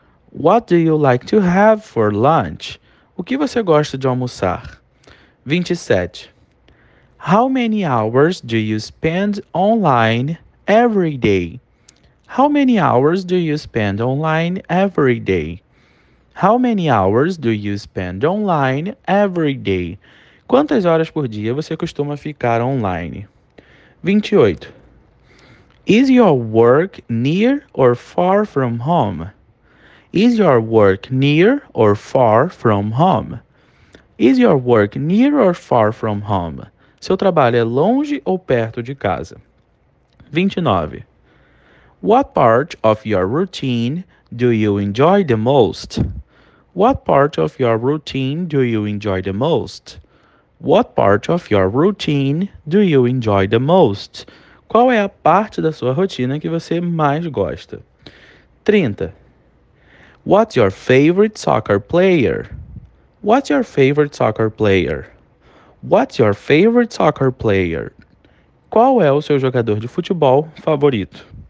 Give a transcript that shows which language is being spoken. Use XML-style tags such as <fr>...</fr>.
<en>What do you like to have for lunch?</en> <pt>O que você gosta de almoçar?</pt> <en>27. How many hours do you spend online every day? How many hours do you spend online every day? How many hours do you spend online every day?</en> <pt>Quantas horas por dia você costuma ficar online? 28.</pt> <en>Is your work near or far from home? Is your work near or far from home? Is your work near or far from home?</en> <pt>Seu trabalho é longe ou perto de casa? 29.</pt> <en>What part of your routine do you enjoy the most? What part of your routine do you enjoy the most? What part of your routine do you enjoy the most?</en> <pt>Qual é a parte da sua rotina que você mais gosta?</pt> <en>30. What's your favorite soccer player? What's your favorite soccer player? What's your favorite soccer player?</en> <pt>Qual é o seu jogador de futebol favorito?</pt>